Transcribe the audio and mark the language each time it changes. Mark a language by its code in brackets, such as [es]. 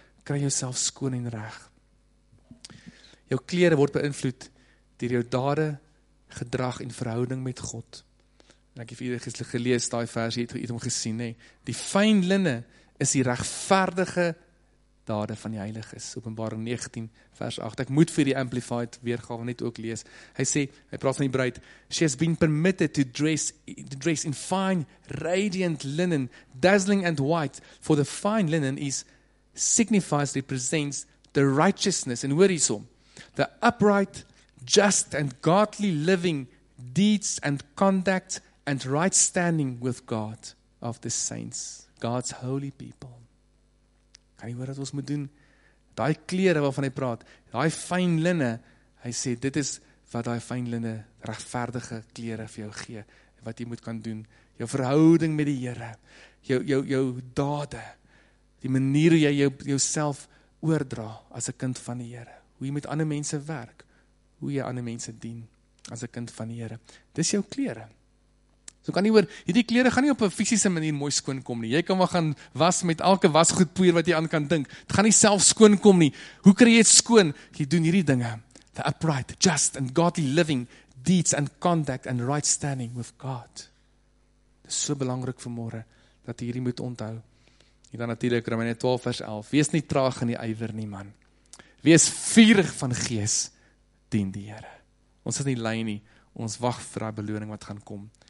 [af] Kry jouself skoon en reg. Jou klere word beïnvloed deur jou dade, gedrag en verhouding met God. En ek het vir julle gelees daai vers, jy het dit om gesien, nê. Die fyn linne is die regverdige dade van die heiliges. Openbaring 19 vers 8. Ek moet vir die Amplified weergawe net ook lees. Hy sê, hy praat van die bruid, [en] she has been permitted to dress in fine radiant linen, dazzling and white, for the fine linen represents the righteousness, [af] en hoor hierso, [en] the upright, just and godly living deeds and conduct and right standing with God of the saints, God's holy people. [af] Kan jy hoor wat ons moet doen? Daai klere waarvan hy praat, daai fyn linne, hy sê, dit is wat daai fyn linne regverdige klere vir jou gee, wat jy moet kan doen, jou verhouding met die Here, jou dade, die manier hoe jy jouself oordra as 'n kind van die Here, hoe jy met ander mense werk, hoe jy ander mense dien as 'n kind van die Here. Dis jou klere. So kan nie oor, hierdie klere gaan nie op 'n fisiese manier mooi skoon kom nie. Jy kan maar gaan was met elke wasgoedpoeier wat jy aan kan dink. Dit gaan nie self skoon kom nie. Hoe kry jy dit skoon? Jy doen hierdie dinge. [en] The upright, just and godly living deeds and conduct and right standing with God. [af] Dis so belangrik vir môre dat jy hierdie moet onthou. En dan natuurlik Romeine 12 vers 11. Wees nie traag in die ywer nie, man. Wees vurig van gees, dien die Here. Ons is nie lui nie. Ons wag vir daai beloning wat gaan kom.